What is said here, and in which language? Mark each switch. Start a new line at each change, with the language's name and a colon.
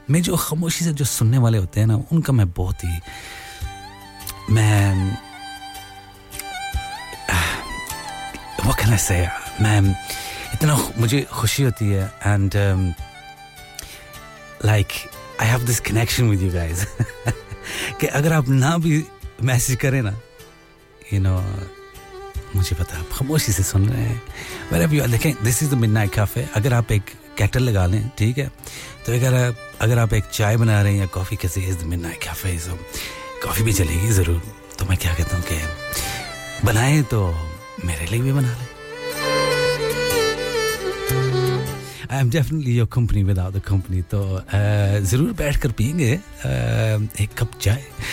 Hindi: मैं जो खामोशी से जो सुनने वाले होते हैं ना, उनका मैं बहुत ही मैं इतना मुझे खुशी होती है,
English: and like I have this connection with you guys
Hindi: कि अगर आप ना भी मैसेज करें ना,
English: you know,
Hindi: मुझे पता आप खामोशी से सुन रहे हैं.
English: Wherever you are, देखें, this is the midnight cafe.
Hindi: अगर आप एक kettle लगा लें, ठीक है, तो अगर आप एक चाय बना रहे हैं या कॉफ़ी, कैसे is the midnight cafe, so coffee भी चलेगी ज़रूर. तो मैं क्या कहता हूँ कि बनाएं तो मेरे लिए भी बना लें.
English: I am definitely your company without the company.
Hindi: तो ज़रूर बैठ कर पियेंगे एक कप चाय.